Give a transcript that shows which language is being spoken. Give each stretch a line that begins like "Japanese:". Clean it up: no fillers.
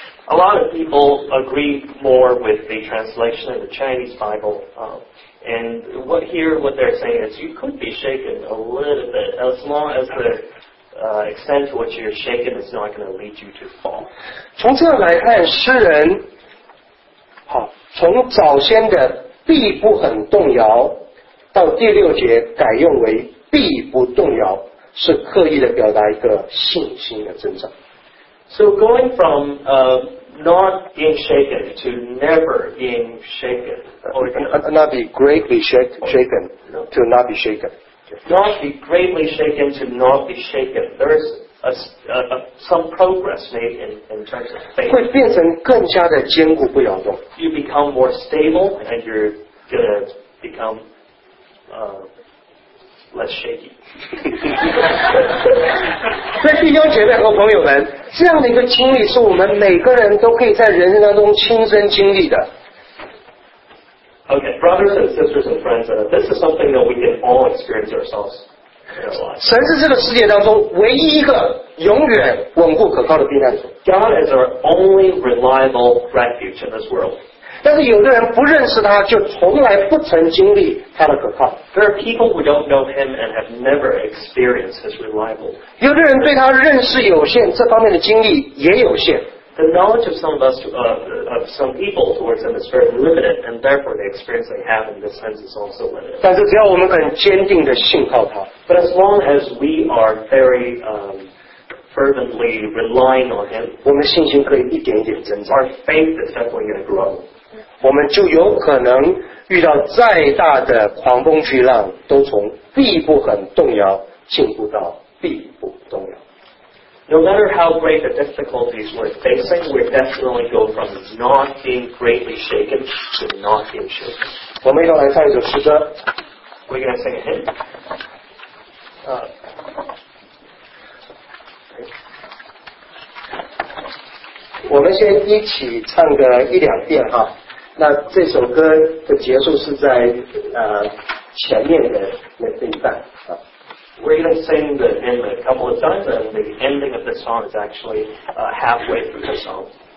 English: A lot of people agree more with the translation of the Chinese Bible. And what here, what they're saying is you could be shaken a little bit, as long as the extent to which you're shaken is not going to lead you to fall.
Chinese: 从这来看，诗人，好，从早先的必不很动摇，到第六节改用为必不动摇，是刻意的表达一个信心的增长。
English: So going from not being shaken to never being shaken, or not be greatly shaken to not be shaken. Not be greatly shaken to not be shaken. There's some progress made in terms of faith.
Chinese: 会变成更加的坚固不摇动。
English: You become more stable, and you're gonna become less shaky.
Chinese: 所以弟兄姐妹和朋友们，这样的一个经历是我们每个人都可以在人生当中亲身经历的。
English: Okay, brothers and sisters and friends, this is something that we can all experience ourselves.
Chinese: 神是这个世界当中唯一一个永远稳固可靠的避难所。
English: God is our only reliable refuge in this world.
Chinese: 但是有的人不认识他，就从来不曾经历他的可靠。
English: There are people who don't know him and have never experienced his reliable.
Chinese: 有的人对他认识有限，这方面的经历也有限。
English: The knowledge of some of us, of some people towards him is very limited, and therefore the experience they have in this sense is also limited.
Chinese: 但是只要我们很坚定地信靠他。
English: But as long as we are very, fervently relying on him,
Chinese: 我们信心可以一点一点增长。
English: Our faith is definitely going to grow.
Chinese: 我们就有可能遇到再大的狂风巨浪，都从必不很动摇进步到必不动摇。
English: No matter how great the difficulties we're facing, we definitely go from not being greatly shaken to not being shaken.
Chinese: 我们一同来唱一首诗歌。
English: We're going to sing a hymn. Okay.
Chinese: 我们先一起唱个一两遍哈。那这首歌的结束是在前面的那一段。
English: We're going to sing the hymn a couple of times, and the ending of the song is actually halfway through the song.